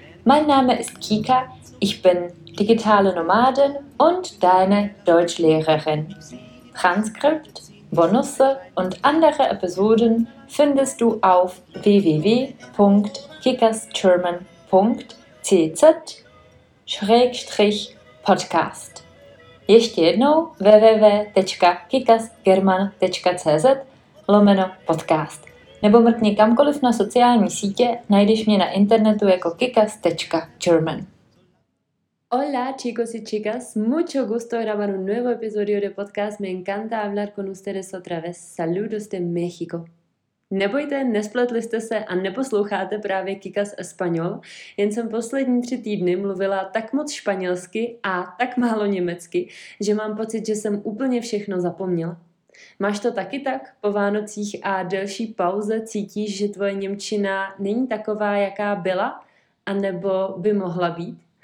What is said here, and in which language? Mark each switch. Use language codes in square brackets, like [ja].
[de] Mein Name ist Kika, ich bin digitale Nomadin und deine Deutschlehrerin. Transkript, Bonusse und andere Episoden findest du auf www.kikasgerman.cz/podcast. [cs] Ještě jednou www.kikasgerman.cz/podcast. Nebo mrkni kamkoliv na sociální sítě, najdeš mě na internetu jako kikas.german. [es] Hola chicos y chicas, mucho gusto grabar un nuevo episodio de podcast. Me encanta hablar con ustedes otra vez. Saludos de México. [cs] Nebojte, nespletli jste se a neposloucháte právě Kikas Español, jen jsem poslední 3 týdny mluvila tak moc španělsky a tak málo německy, že mám pocit, že jsem úplně všechno zapomněla. Máš to taky tak? Po Vánocích a delší pauze cítíš, že tvoje němčina není taková, jaká byla, anebo by mohla být?